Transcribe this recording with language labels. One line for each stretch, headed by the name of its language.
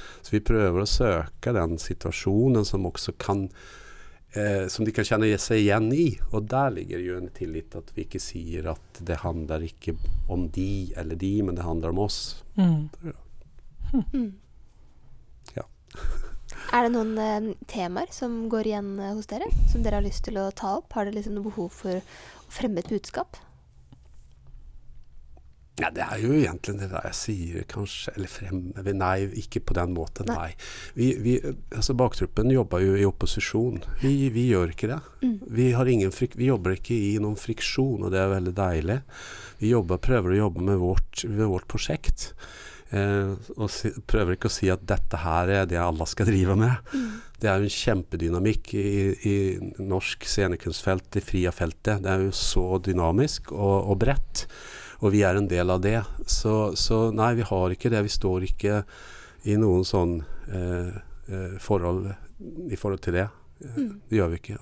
Swedish: Så vi prövar att söka den situationen som också kan som de kan känna sig igen i och där ligger ju en tillit att vi inte säger att det handlar inte om de eller de men det handlar om oss. Mm. Ja. Mm. Ja. Är det någon temer som går igen hos dere, som
Norwegian: dere har lyst til
Swedish: att ta upp?
Norwegian: Har det liksom noe behov for å fremme et budskap?
Swedish: Ja, det är ju egentligen det där jag säger kanske eller fremme vi nej, inte på den måten, nej. Vi alltså baktruppen jobbar ju i opposition. Vi gör inte det. Mm. Vi har ingen vi jobbar inte i någon friktion och det är väldigt deilig. Vi jobbar med vårt projekt.
Norwegian: og si, prøver ikke å si at dette her er det alle skal drive med. Det er jo en kjempedynamikk i norsk scenekunstfelt, i fria feltet. Det er jo så dynamisk og bredt, og vi er en del av det. Så nei, vi har ikke det. Vi står ikke i noen sånn forhold i forhold til det. Mm. Det gjør vi ikke.